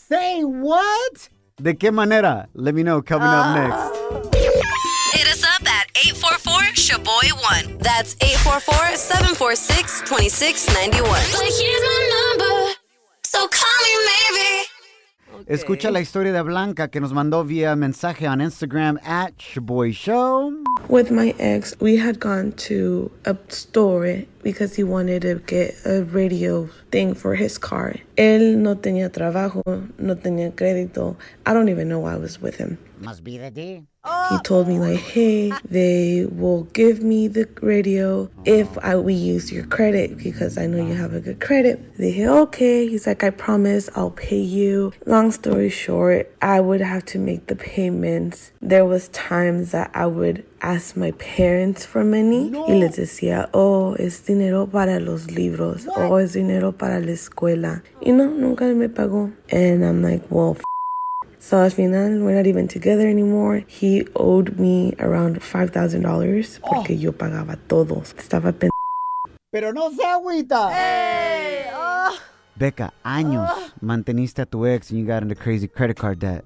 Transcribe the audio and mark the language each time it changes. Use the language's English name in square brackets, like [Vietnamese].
[English] Say what? [Spanish] De qué manera? [English] Let me know coming up next. Hit us up at 844-SHABOY1. That's 844-746-2691. But here's my number, so call me maybe. Okay. [Spanish] Escucha la historia de Blanca que nos mandó vía mensaje [English] on Instagram at Shaboy Show. With my ex, we had gone to a store because he wanted to get a radio thing for his car. [Spanish] Él no tenía trabajo, no tenía crédito. [English] I don't even know why I was with him. Must be the day. He told me, like, hey, they will give me the radio if we use your credit because I know you have a good credit. They say, okay. He's like, I promise I'll pay you. Long story short, I would have to make the payments. There was times that I would ask my parents for money. No. [Spanish] Y les decía, oh, es dinero para los libros. [English] What? [Spanish] Oh, es dinero para la escuela. Y no, nunca me pagó. [English] And I'm like, well, so [Spanish] al final, [English] we're not even together anymore. He owed me around $5,000 [Spanish] porque yo pagaba todo. Estaba Pero no se agüita. [English] Hey! Becca, [Spanish] años manteniste a tu ex [English] and you got into crazy credit card debt.